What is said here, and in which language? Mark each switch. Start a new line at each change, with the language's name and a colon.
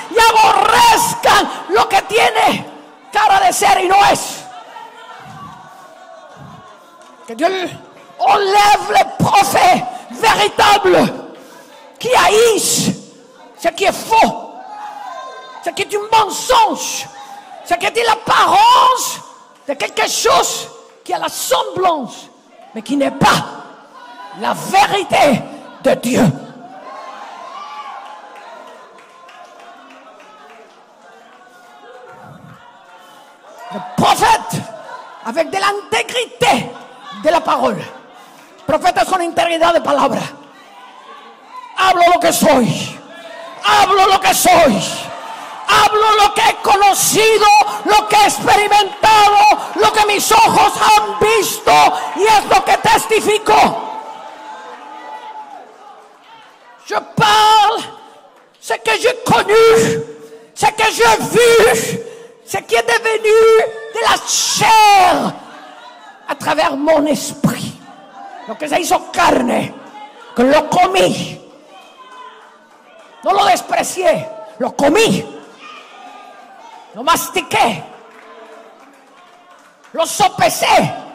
Spanish: Y aborrezcan lo que tiene cara de ser y no es.
French: Que Dios enlève le prophète véritable qui haït ce qui est faux, ce qui est un mensonge, ce qui est l'apparence de quelque chose qui a la semblance, mais qui n'est pas la vérité de Dieu. Le prophète avec de l'intégrité de la parole.
Spanish: Profeta con integridad de palabra. Hablo lo que soy. Hablo lo que soy. Hablo lo que he conocido, lo que he experimentado, lo que mis ojos han visto y es lo que testifico.
French: Je parle ce que j'ai connu, ce que j'ai vu. Ce qui est devenu de la chair à travers mon esprit.
Spanish: Lo que se hizo carne, que lo comí. No lo desprecié, lo comí. Lo mastiqué. Lo sopesé.